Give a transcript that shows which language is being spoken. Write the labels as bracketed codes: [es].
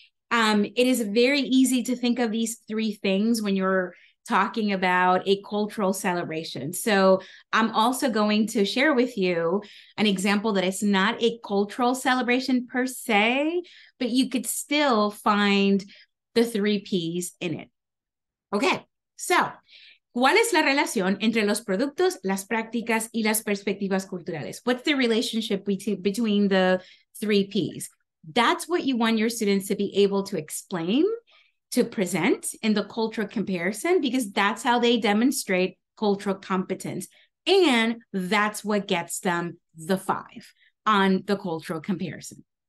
[en] It is very easy to think of these three things when you're talking about a cultural celebration. So I'm also going to share with you an example that it's not a cultural celebration per se, but you could still find the three P's in it. [es] Okay, so ¿cuál es la relación entre los productos, las prácticas y las perspectivas culturales? [en] What's the relationship between the three P's? That's what you want your students to be able to explain, to present in the cultural comparison, because that's how they demonstrate cultural competence. And that's what gets them the 5 on the cultural comparison.